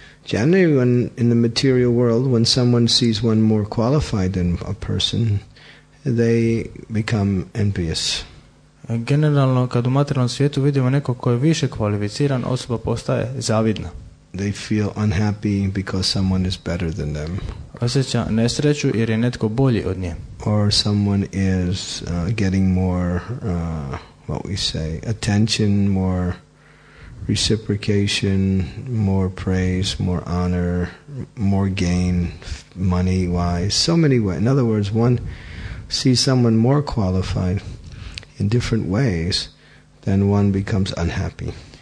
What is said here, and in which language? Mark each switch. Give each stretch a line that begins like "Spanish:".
English: Generally, when in the material world, when someone sees one more qualified than a person, they become envious.
Bosnian: Generalno, kad u materijalnom svijetu vidimo nekog ko je više kvalificiran, osoba postaje zavidna.
English: They feel unhappy because someone is better than them.
Bosnian: Osjeća nesreću jer je netko bolji od nje.
English: Or someone is getting more, what we say, attention, more reciprocation, more praise, more honor, more gain, money-wise, so many ways. In other words, one sees someone more qualified in different ways, then one becomes unhappy.